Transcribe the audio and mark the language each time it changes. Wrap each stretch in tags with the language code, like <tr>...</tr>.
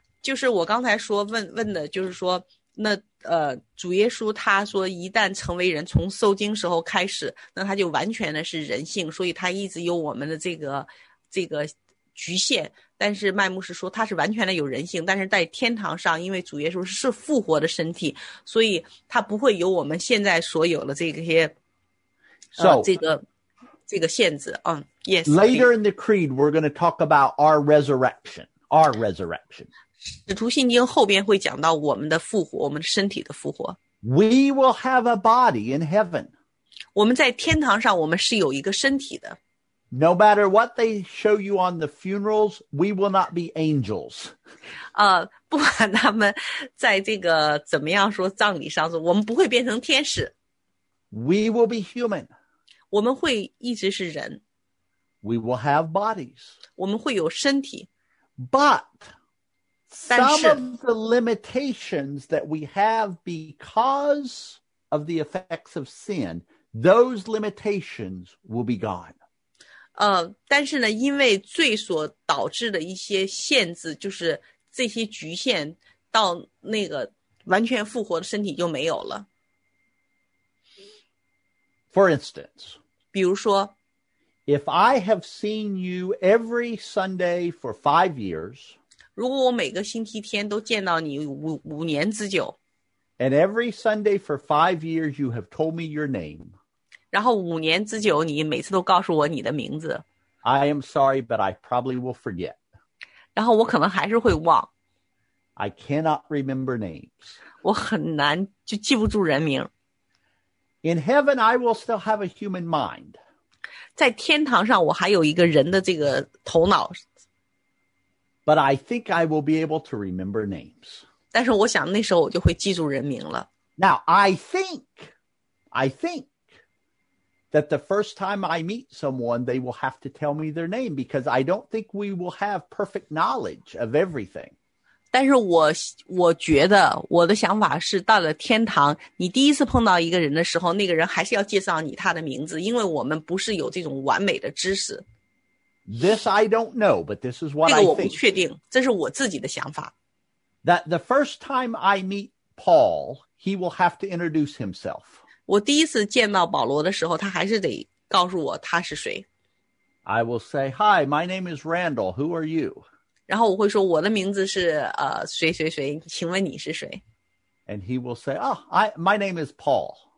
<zh>就是我刚才说问的就是说那主耶稣他说一旦成为人从受经时候开始那他就完全的是人性所以他一直有我们的这个局限但是麦牧师说他是完全的有人性但是在天堂上因为主耶稣是复活的身体所以他不会有我们现在所有的这些</zh> <en>so,</en> <zh>这个限制</zh> <en>Yes, Later in the creed, we're going to talk about our resurrection. Our resurrection.</en> <zh>使徒信经后边会讲到我们的复活，我们身体的复活。</zh> <en>We will have a body in heaven.</en> <zh>我们在天堂上，我们是有一个身体的。</zh> <en>No matter what they show you on the funerals, we will not be angels.</en> <zh>不管他们在这个怎么样说葬礼上说，我们不会变成天使。</zh> <en>We will be human.</en> <zh>我们会一直是人。</zh> <en>We will have bodies.</en> <zh>我们会有身体。</zh> <en>But some of the limitations that we have because of the effects of sin, those limitations will be gone.</en> <zh>但是呢，因为罪所导致的一些限制，就是这些局限，到那个完全复活的身体就没有了。</zh> <en>For instance,</en> <zh>比如说</zh> <en>If I have seen you every Sunday for 5 years,</en> <zh>如果我每个星期天都见到你五年之久</zh> <en>and every Sunday for 5 years you have told me your name,</en> <zh>然后五年之久你每次都告诉我你的名字</zh> <en>I am sorry, but I probably will forget.</en> <zh>然后我可能还是会忘</zh> <en>I cannot remember names.</en> <zh>我很难就记不住人名。</zh> <en>In heaven, I will still have a human mind.</en> <zh>在天堂上，我还有一个人的这个头脑。</zh> <en>But I think I will be able to remember names.</en> <zh>但是我想那时候我就会记住人名了。</zh> <en>Now, I think that the first time I meet someone, they will have to tell me their name because I don't think we will have perfect knowledge of everything.</en> <zh>但是我觉得我的想法是到了天堂，你第一次碰到一个人的时候，那个人还是要介绍你他的名字，因为我们不是有这种完美的知识。</zh> <en>This I don't know, but this is what I think.</en> <zh>这个我不确定，这是我自己的想法。</zh> <en>That the first time I meet Paul, he will have to introduce himself.</en> <zh>我第一次见到保罗的时候，他还是得告诉我他是谁。</zh> <en>I will say, hi, my name is Randall, who are you?</en> <zh>然后我会说我的名字是谁谁谁，请问你是谁。</zh> <en>And he will say, oh, my name is Paul.</en>